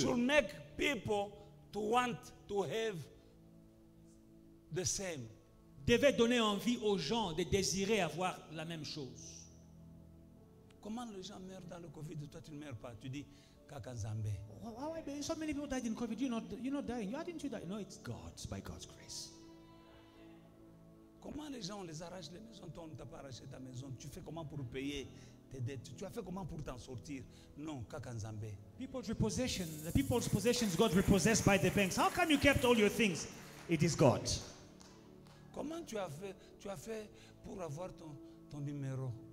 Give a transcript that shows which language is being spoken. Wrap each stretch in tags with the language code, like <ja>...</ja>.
<en>Should make people to want to have the same.</en> <fr>Devait donner envie aux gens de désirer avoir la même chose. Comment les gens meurent dans le Covid? Toi, tu ne meurs pas. Tu dis,</fr> <ln>Kaka Zambé.</ln> <en>Why, so many people died in Covid. You're not dying. You didn't you die? No, it's God, by God's grace.</en> <fr>comment les gens les arrachent les maisons? Toi, on ne t'a pas arraché ta maison. Tu fais comment pour payer tes dettes? Tu as fait comment pour t'en sortir? Non,</fr> <ln>kakanzambe.</ln> <en>People's repossession, the people's possessions got repossessed by the banks. How come you kept all your things? It is God.</en> <fr>Comment tu as fait pour avoir ton numéro?</fr>